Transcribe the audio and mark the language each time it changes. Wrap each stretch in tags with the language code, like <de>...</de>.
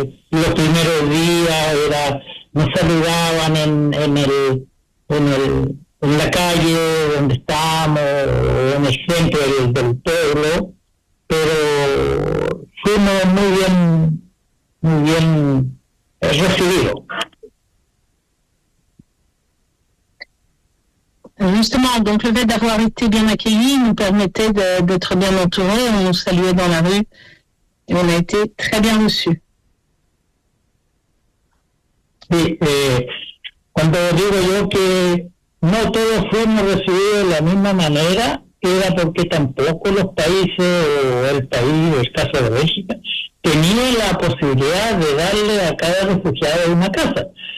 <es>Los primeros días era, nos saludaban en la calle donde estábamos, en el centro del pueblo, pero fuimos muy bien recibidos.</es> <fr>Justement, donc le fait d'avoir été bien accueilli nous permettait d'être bien entouré, on nous saluait dans la rue et on a été très bien reçu.</fr> <es>Sí, cuando digo yo que no todos fuimos recibidos de la misma manera, era porque tampoco los países, o el país, o el caso de México, tenía la posibilidad de darle a cada refugiado una casa.</es>